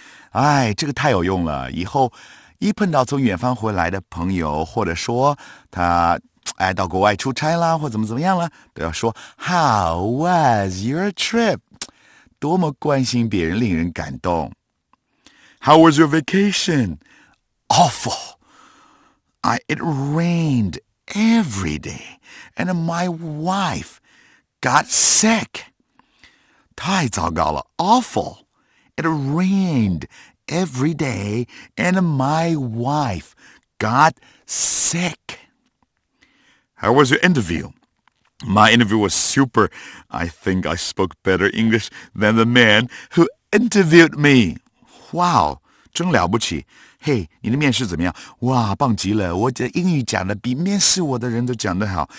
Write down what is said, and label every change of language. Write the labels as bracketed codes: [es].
[zh] 哎，这个太有用了。以后一碰到从远方回来的朋友，或者说他到国外出差啦，或怎么怎么样了，都要说 [en] How was your trip? [zh] 多么关心别人，令人感动。 [en] How was your vacation? Awful. It rained every day, and my wife got sick. [zh] 太糟糕了 [en] awful. It rained every day, and my wife got sick. How was your interview? My interview was super. I think I spoke better English than the man who interviewed me. [zh] Wow, 真了不起。嘿、hey, 你的面试怎么样？哇，棒极了，我的英语讲的比面试我的人都讲得好。